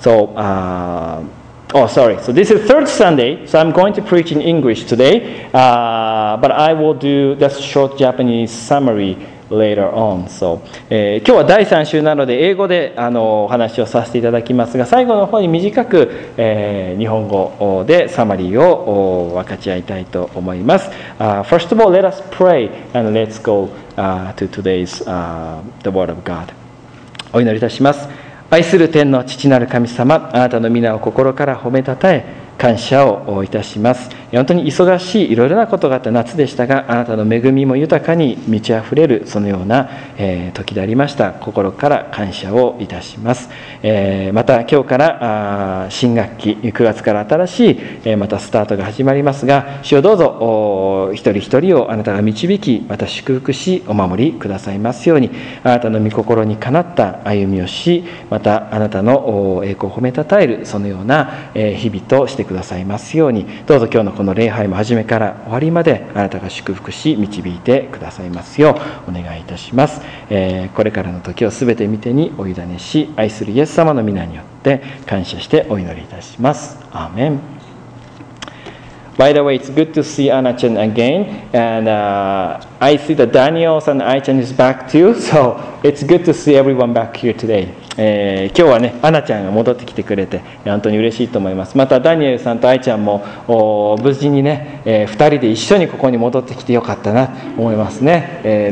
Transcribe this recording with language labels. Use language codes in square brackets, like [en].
[en] So this is third Sunday, so I'm going to preach in English today, but I will do this short Japanese summary later on. [ja] So, 今日は第3週なので英語でお話をさせていただきますが、最後の方に短く、日本語でサマリーを分かち合いたいと思います。 [en] First of all, let us pray and let's go to today's the word of God. [ja] お祈りいたします。愛する天の父なる神様、あなたの皆を心から褒めたたえ感謝をいたします。本当に忙しい、いろいろなことがあった夏でしたが、あなたの恵みも豊かに満ちあふれる、そのような、時でありました。心から感謝をいたします。また今日から新学期、9月から新しい、またスタートが始まりますが、主よ、どうぞ一人一人をあなたが導き、また祝福し、お守りくださいますように、あなたの御心にかなった歩みをし、またあなたの栄光を褒めたたえる、そのような、日々としてくださいますように、どうぞ今日のこの礼拝も始めから終わりまであなたが祝福し導いてくださいますようお願いいたします。これからの時をすべて御手にお委ねし、愛するイエス様の御名によって感謝してお祈りいたします。アーメン。 [en] By the way, it's good to see Anna-chan again, and I see that Daniels and Ai-chan is back too, so it's good to see everyone back here today. [ja] 今日はね、アナちゃんが戻ってきてくれて本当に嬉しいと思います。またダニエルさんとアイちゃんも無事にね、2人で一緒にここに戻ってきてよかったなと思いますね。